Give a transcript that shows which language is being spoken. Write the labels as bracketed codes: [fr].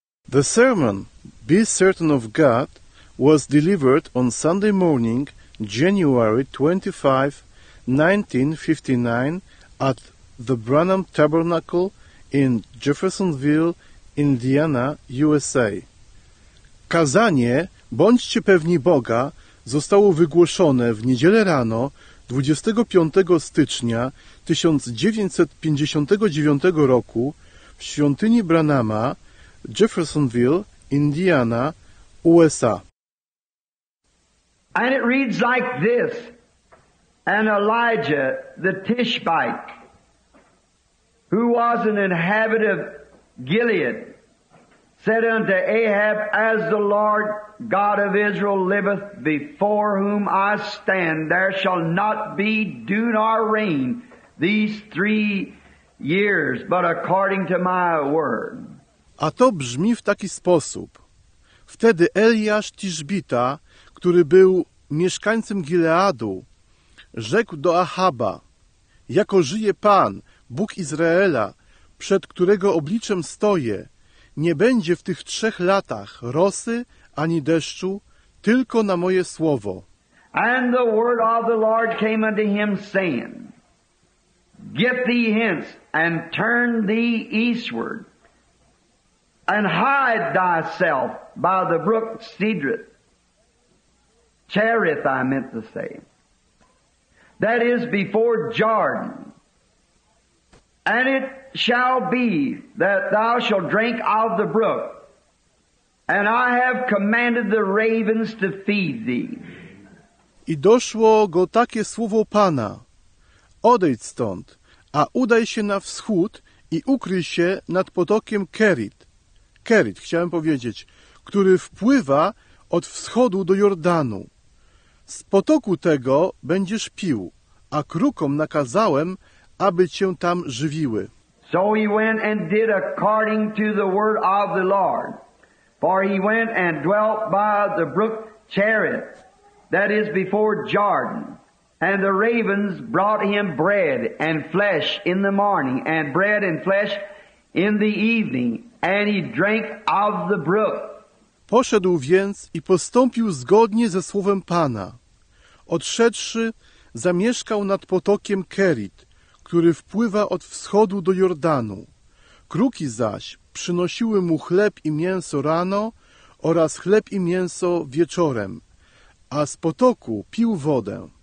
[en] The sermon, Be Certain of God, was delivered on Sunday morning, January 25, 1959, at the Branham Tabernacle in Jeffersonville, Indiana, USA. [pl] Kazanie Bądźcie pewni Boga zostało wygłoszone w niedzielę rano 25 stycznia 1959 roku w świątyni Branhama, Jeffersonville, Indiana, USA. [en] And it reads like this, and Elijah the Tishbite, who was an inhabitant of Gilead, said unto Ahab, As the Lord God of Israel liveth, before whom I stand, there shall not be dew nor rain these 3 years, but according to my word. [pl] A to brzmi w taki sposób. Wtedy Eliasz Tiszbita, który był mieszkańcem Gileadu, rzekł do Ahaba, Jako żyje Pan, Bóg Izraela, przed którego obliczem stoję, nie będzie w tych 3 latach rosy ani deszczu, tylko na moje słowo. [en] And the word of the Lord came unto him, saying, Get thee hence, and turn thee eastward, and hide thyself by the brook Cedrith, Cherith, I meant to say, that is before Jordan. And it shall be that thou shalt drink of the brook, and I have commanded the ravens to feed thee. [pl] I doszło go takie słowo Pana. Odejdź stąd, a udaj się na wschód i ukryj się nad potokiem Kerit. Kerit, chciałem powiedzieć, który wpływa od wschodu do Jordanu. Z potoku tego będziesz pił, a krukom nakazałem, aby cię tam żywiły. [en] So he went and did according to the word of the Lord. For he went and dwelt by the brook Cherith, that is before Jordan. And the ravens brought him bread and flesh in the morning, and bread and flesh in the evening, and he drank of the brook. [pl] Poszedł więc i postąpił zgodnie ze słowem Pana. Odszedłszy, zamieszkał nad potokiem Kerit, który wpływa od wschodu do Jordanu. Kruki zaś przynosiły mu chleb i mięso rano oraz chleb i mięso wieczorem, a z potoku pił wodę.